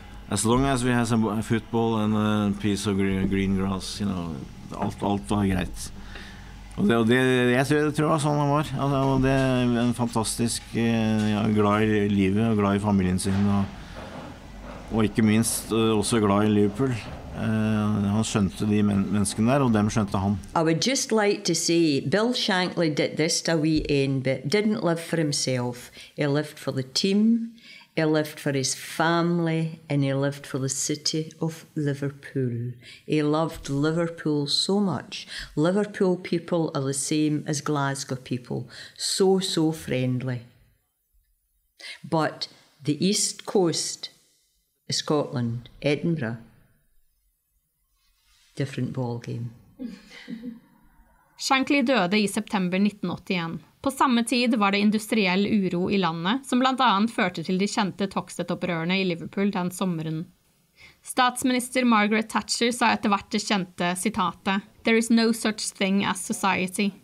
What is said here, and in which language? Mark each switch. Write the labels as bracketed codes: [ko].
[en] As long as we have some football and a piece of green grass, you know, [no] alt var greit. Og jeg tror det var sånn han var. Altså, det er en fantastisk, ja, glad i livet og glad i familien sin. Og ikke minst også glad i Liverpool. Han skjønte de menneskene der, og dem skjønte han. [en] I would just like to say, Bill Shankly did this a wee end, but didn't live for himself. He lived for the team, he lived for his family, and he lived for the city of Liverpool. He loved Liverpool so much. Liverpool people are the same as Glasgow people. So, so friendly. But the East Coast, Scotland, Edinburgh, different ball game. [no] Shankly døde i september 1981. På samme tid var det industriell uro i landet, som blant annet førte til de kjente Toxteth-opprørene i Liverpool den sommeren. Statsminister Margaret Thatcher sa etter hvert det kjente sitatet [en] «There is no such thing as society.